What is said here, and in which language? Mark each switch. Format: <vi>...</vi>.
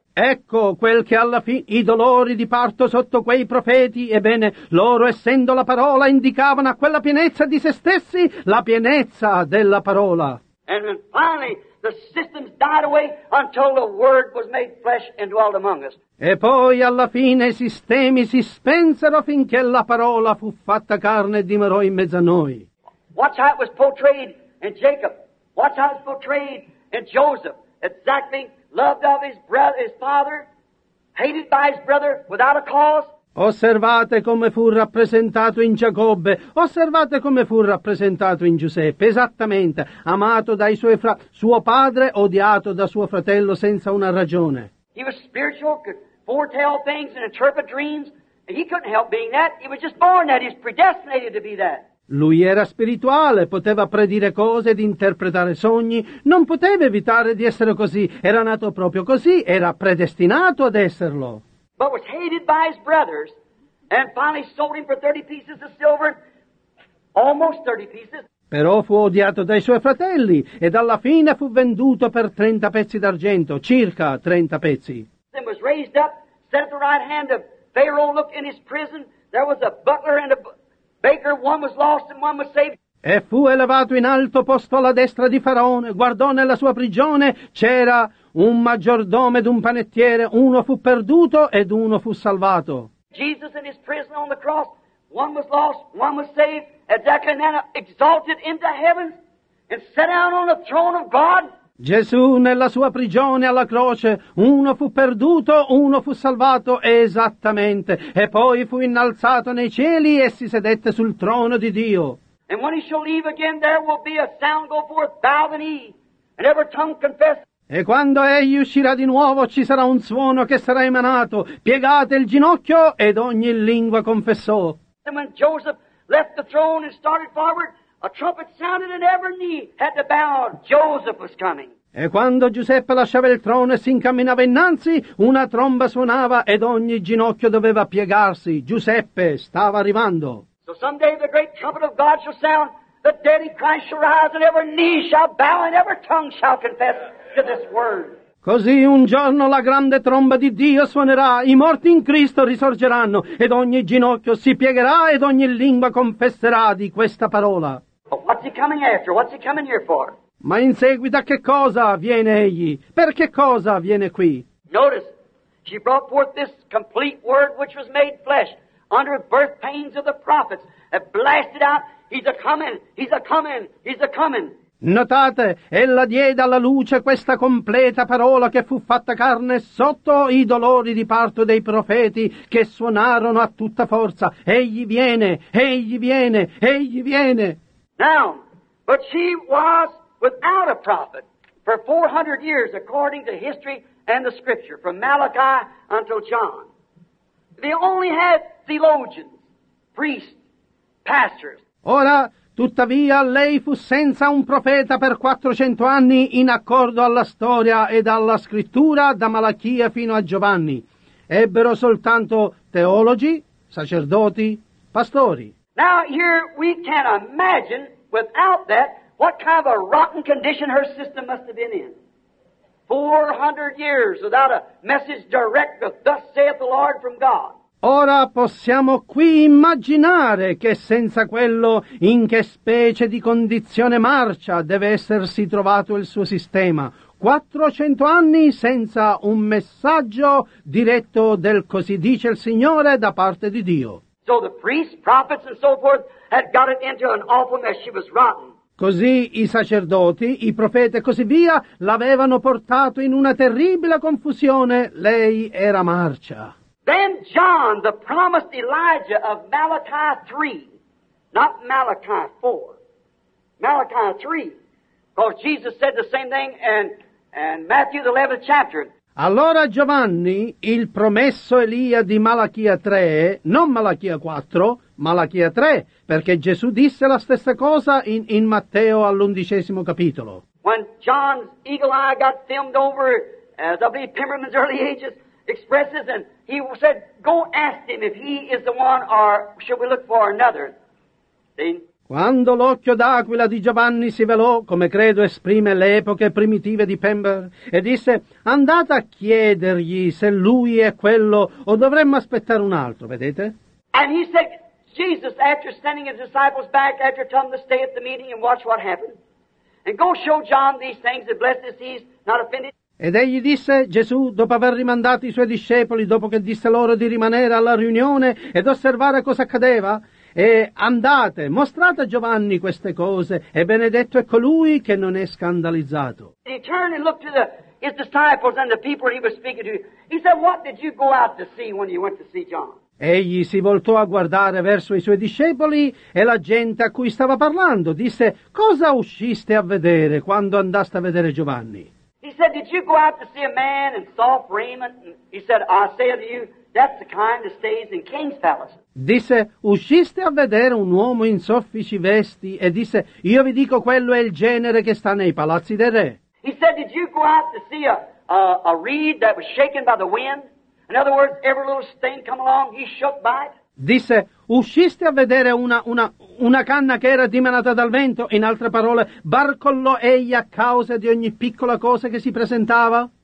<it>Ecco quel che alla fine i dolori di parto sotto quei profeti, ebbene, loro essendo la parola indicavano a quella pienezza di se stessi la pienezza della parola.</it> <en>And finally the systems died away until the word was made flesh and dwelt among us.</en> <it>E poi alla fine i sistemi si spensero finché la parola fu fatta carne e dimorò in mezzo a noi.</it> <en>Watch how it was portrayed in Jacob. Watch how it was portrayed in Joseph. Exactly. Loved of his brother, his father, hated by his brother without a cause.</en> <it>Osservate come fu rappresentato in Giacobbe. Osservate come fu rappresentato in Giuseppe. Esattamente, amato dai suoi suo padre, odiato da suo fratello senza una ragione.</it> <en>He was spiritual, could foretell things and interpret dreams. He couldn't help being that. He was just born that. He's predestinated to be that.</en> <it>Lui era spirituale, poteva predire cose ed interpretare sogni, non poteva evitare di essere così, era nato proprio così, era predestinato ad esserlo.</it> <en>But was hated by his brothers and finally sold him for 30 pieces of silver, almost 30 pieces.</en> <it>Però fu odiato dai suoi fratelli ed alla fine fu venduto per 30 pezzi d'argento, circa 30 pezzi.</it> <en>Then was raised up, set at the right hand of Pharaoh, look in his prison, there was a butler and a baker, one was lost and one was saved.</en> <it>E fu elevato in alto posto alla destra di Faraone, guardò nella sua prigione, c'era un maggiordomo ed un panettiere, uno fu perduto ed uno fu salvato.</it> <en>Jesus in his prison on the cross, one was lost, one was saved, and Zechariah exalted into heaven and set out on the throne of God.</en> <it>Gesù nella sua prigione alla croce, uno fu perduto, uno fu salvato, esattamente, e poi fu innalzato nei cieli e si sedette sul trono di Dio.</it> <en>And when he shall leave again, there will be a sound go forth, bow the knee, and every tongue confess.</en> <it>E quando egli uscirà di nuovo, ci sarà un suono che sarà emanato, piegate il ginocchio ed ogni lingua confessò.</it> <en>And when Joseph left the throne and started forward, a trumpet sounded and every knee had to bow. Joseph was coming.</en> <it>E quando Giuseppe lasciava il trono e si incamminava innanzi, una tromba suonava ed ogni ginocchio doveva piegarsi. Giuseppe stava arrivando.</it> <en>So someday the great trumpet of God shall sound, the dead in Christ shall rise, and every knee shall bow, and every tongue shall confess to this word.</en> <it>Così un giorno la grande tromba di Dio suonerà, i morti in Cristo risorgeranno, ed ogni ginocchio si piegherà ed ogni lingua confesserà di questa parola.</it> <en>What's he coming after? What's he coming here for?</en> <it>Ma in seguito a che cosa viene egli? Per che cosa viene qui?</it> <en>Notice, she brought forth this complete word which was made flesh under the birth pains of the prophets and blasted out, he's a coming, he's a coming, he's a coming.</en> <it>Notate, ella diede alla luce questa completa parola che fu fatta carne sotto i dolori di parto dei profeti che suonarono a tutta forza. Egli viene, egli viene, egli viene.</it> <en>Now, but she was without a prophet for 400 years according to history and the Scripture, from Malachi until John. They only had theologians, priests, pastors.</en> <it>Ora, tuttavia, lei fu senza un profeta per 400 anni in accordo alla storia e alla scrittura da Malachia fino a Giovanni. Ebbero soltanto teologi, sacerdoti, pastori.</it> <en>Now here we can imagine without that what kind of a rotten condition her system must have been in. 400 years without a message direct of thus saith the Lord from God.</en> <it>Ora possiamo qui immaginare che senza quello in che specie di condizione marcia deve essersi trovato il suo sistema. 400 anni senza un messaggio diretto del così dice il Signore da parte di Dio.</it> <en>So the priests, prophets and so forth had got it into an awful mess. She was rotten.</en> <it>Così i sacerdoti, i profeti e così via l'avevano portato in una terribile confusione. Lei era marcia.</it> <en>Then John, the promised Elijah of Malachi 3, not Malachi 4, Malachi 3, because Jesus said the same thing in Matthew, the 11th chapter.</en> <it>Allora Giovanni, il promesso Elia di Malachia 3, non Malachia 4, Malachia 3, perché Gesù disse la stessa cosa in Matteo all'11° capitolo.</it> <en>When John's eagle eye got filmed over, as I believe Pimmerman's early ages expresses, and he said, go ask him if he is the one or should we look for another. See?</en> <it>Quando l'occhio d'aquila di Giovanni si velò, come credo esprime le epoche primitive di Pember, e disse, andate a chiedergli se lui è quello o dovremmo aspettare un altro, vedete?</it> <en>And he said, Jesus, after sending his disciples back, after telling them to stay at the meeting and watch what happened, and go show John these things, and blessed is he, not offended.</en> <it>Ed egli disse, Gesù, dopo aver rimandato i suoi discepoli, dopo che disse loro di rimanere alla riunione ed osservare cosa accadeva, e andate, mostrate a Giovanni queste cose, e benedetto è colui che non è scandalizzato.</it> <en>He turned and looked to his disciples and the people he was speaking to. He said, what did you go out to see when you went to see John?</en> <it>Egli si voltò a guardare verso i suoi discepoli e la gente a cui stava parlando. Disse, cosa usciste a vedere quando andaste a vedere Giovanni?</it> <en>He said, did you go out to see a man in soft raiment? And he said, I say unto you, that's the kind that stays in king's palaces.</en> <it>Disse, usciste a vedere un uomo in soffici vesti? E disse, io vi dico, quello è il genere che sta nei palazzi del re.</it> <en>He said, did you go out to see a reed that was shaken by the wind? In other words, every little stain come along, he shook by it.</en> <it>Disse, usciste a vedere una canna che era dimenata dal vento? In altre parole, barcollò egli a causa di ogni piccola cosa che si presentava?</it>